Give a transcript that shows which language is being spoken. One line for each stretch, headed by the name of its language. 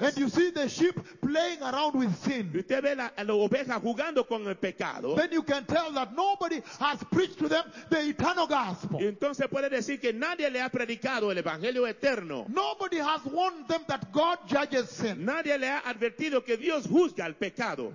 English: and you see the sheep playing around with sin,
Spanish: y usted ve la oveja jugando con el pecado,
English: then you can tell that nobody has preached to them the eternal gospel.
Spanish: Y entonces puede decir que nadie le ha predicado el evangelio eterno.
English: Nobody has warned them that God judges sin.
Spanish: Nadie le ha advertido que Dios juzga el pecado.